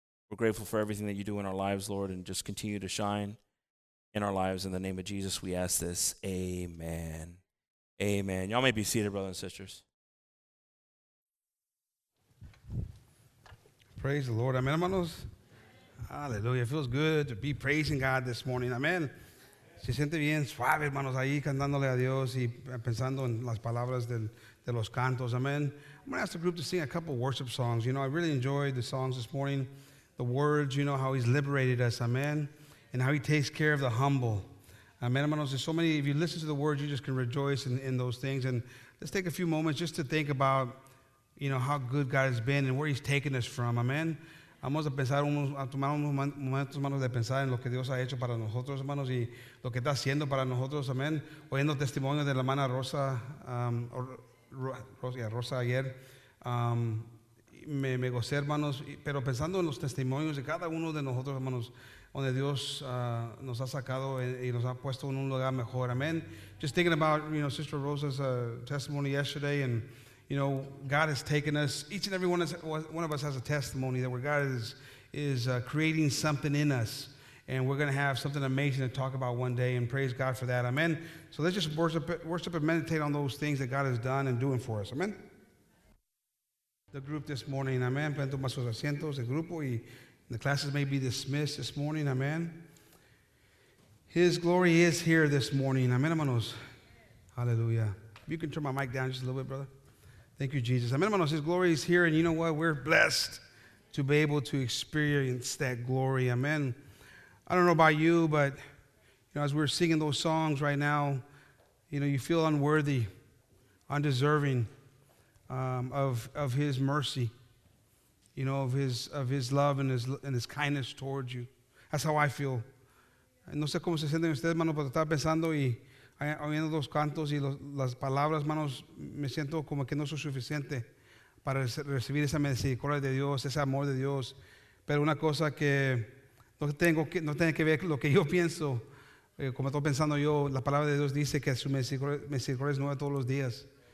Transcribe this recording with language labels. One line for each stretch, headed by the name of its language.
English: We're grateful for everything that you do in our lives, Lord, and just continue to shine in our lives. In the name of Jesus, we ask this. Amen. Amen. Y'all may be seated, brothers and sisters. Praise the Lord. Amen, hermanos. Hallelujah. It feels good to be praising God this morning. Amen.
Spanish: Se siente bien suave, hermanos, ahí cantándole a Dios y pensando en las palabras de los cantos. Amen.
English: I'm going to ask the group to sing a couple worship songs. You know, I really enjoyed the songs this morning. The words, you know, how he's liberated us. Amen. And how he takes care of the humble. Amen, hermanos. There's so many, if you listen to the words, you just can rejoice in those things. And let's take a few moments just to think about, you know, how good God has been and where he's taken us from. Amen.
Spanish: Vamos a pensar a tomar unos momentos, hermanos, de pensar en lo que Dios ha hecho para nosotros, hermanos, y lo que está haciendo para nosotros. Amen. Oyendo testimonio de la hermana Rosa, Rosa ayer, me gocé, hermanos, pero pensando en los testimonios de cada uno de nosotros, hermanos, donde Dios nos ha sacado y nos ha puesto en un lugar mejor. Amen.
English: Just thinking about, you know, Sister Rosa's testimony yesterday, and you know, God has taken us, each and every one of us has a testimony that where God is creating something in us, and we're going to have something amazing to talk about one day, and praise God for that. Amen. So let's just worship and meditate on those things that God has done and doing for us. Amen. The group this morning, amen.
Spanish: Pueden tomar sus asientos, el grupo, y
English: the classes may be dismissed this morning. Amen. His glory is here this morning. Amen, hermanos. Hallelujah. If you can turn my mic down just a little bit, brother. Thank you, Jesus. Amen, hermanos. His glory is here, and you know what? We're blessed to be able to experience that glory. Amen. I don't know about you, but you know, as we're singing those songs right now, you know, you feel unworthy, undeserving of His mercy, you know, of His love and His kindness towards you. That's how I feel.
Spanish: No sé cómo se sienten ustedes, hermanos, pero estaba pensando y oyendo los cantos y las palabras, hermanos, me siento como que no soy suficiente para recibir esa misericordia de Dios, ese amor de Dios. Pero una cosa que no tiene que ver con lo que yo pienso, como estoy pensando yo, la palabra de Dios dice que su misericordia es nueva todos los días.